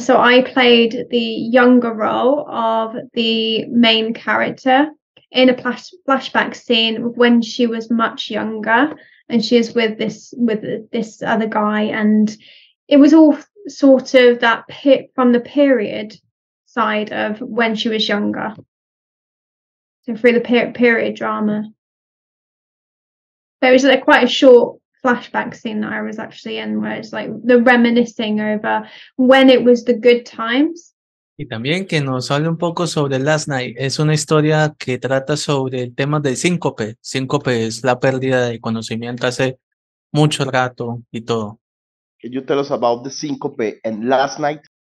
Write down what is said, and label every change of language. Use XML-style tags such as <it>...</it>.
<en>So I played the younger role of the main character in a flashback scene when she was much younger, and she is with this other guy, and it was all sort of that pit from the period side of when she was younger, so through the period drama. There was like quite a short flashback scene that I was actually in, where it's like the reminiscing over when it was the good times.</en> <es>Y también que nos hable un poco sobre Last Night. Es una historia que trata sobre el tema del síncope. Síncope es la pérdida de conocimiento hace mucho rato y todo.</es> <en>Can you tell us about the syncope and last night?</en>